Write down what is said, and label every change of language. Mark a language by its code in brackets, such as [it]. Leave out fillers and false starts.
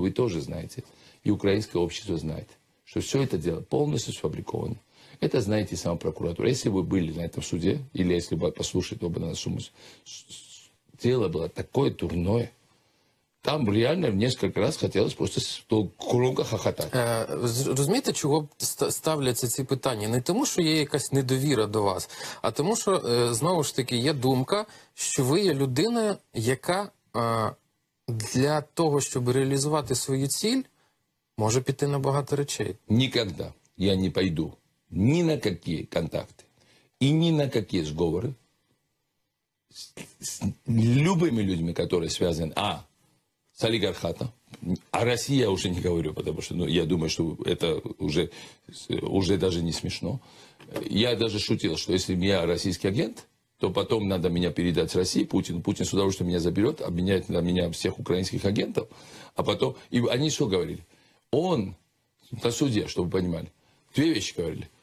[ru] вы тоже знаете, и украинское общество знает, что все это дело полностью сфабриковано. Это знаете сама прокуратура. Если вы были на этом суде, или если бы послушали оба на сумму, дело было такое дурное. Там реально в несколько раз хотелось просто громко хохотать. [uk] Розумієте, чого ставляться ці питання? Не тому, що є якась недовіра до вас, а тому, що, знову ж таки, є думка, що ви є людина, яка для того, щоб реалізувати свою ціль, може піти на багато речей. Ніколи я не пойду ні на які контакти і ні на які зговори [ru] с любыми людьми, которые связаны, а, с олигархатом, а России я уже не говорю, потому что, ну, я думаю, что это уже даже не смешно. Я даже шутил, что если я российский агент, то потом надо меня передать России, Путин с удовольствием меня заберет, обменяет на меня всех украинских агентов, а потом, и они все говорили, он на суде, чтобы вы понимали, две вещи говорили.